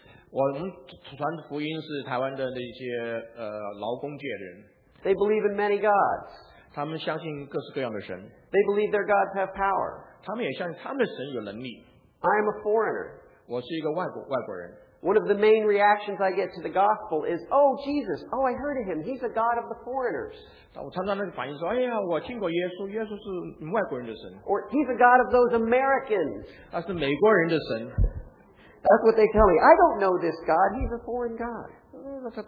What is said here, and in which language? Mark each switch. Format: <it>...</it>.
<zh>我们传福音是台湾的那些劳工界的人。</zh> <en>They believe in many gods.</en> <zh>他们相信各式各样的神。</zh> <en>They believe their gods have power.</en> <zh>他们也相信他们的神有能力。</zh> <en>I am a foreigner.</en> <zh>我是一个外国人。</zh> <en>One of the main reactions I get to the gospel is, Oh, Jesus, oh, I heard of him. He's a god of the foreigners.</en> <zh>我常常那个反应说，哎呀，我听过耶稣，耶稣是外国人的神。</zh> <en>Or he's a god of those Americans.</en> <zh>他是美国人的神。</zh> <en>That's what they tell me. I don't know this God. He's a foreign God.</en>